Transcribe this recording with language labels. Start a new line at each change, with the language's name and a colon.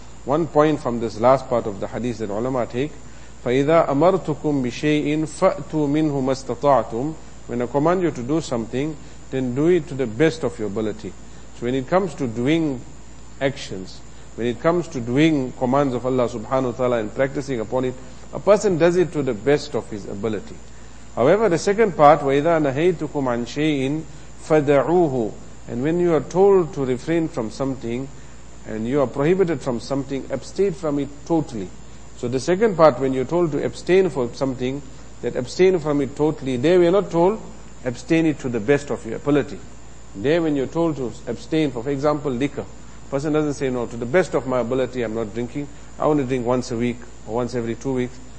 English: One point from this last part of the hadith that ulama take,
Arabic: فَإِذَا أَمَرْتُكُمْ بِشَيْءٍ فَأْتُوا مِنْهُ مَا اسْتَطَعْتُمْ.
English: When I command you to do something, then do it to the best of your ability. So when it comes to doing actions, when it comes to doing commands of Allah subhanahu wa ta'ala and practicing upon it, a person does it to the best of his ability. However, the second part,
Arabic: وَإِذَا نَهَيْتُكُمْ عَنْ شَيْءٍ فَدَعُوهُ.
English: And when you are told to refrain from something, and you are prohibited from something, abstain from it totally. So the second part, when you're told to abstain from something, that abstain from it totally, there we are not told, abstain it to the best of your ability. There when you're told to abstain, for example, liquor, person doesn't say, no, to the best of my ability, I'm not drinking, I only drink once a week, or once every 2 weeks.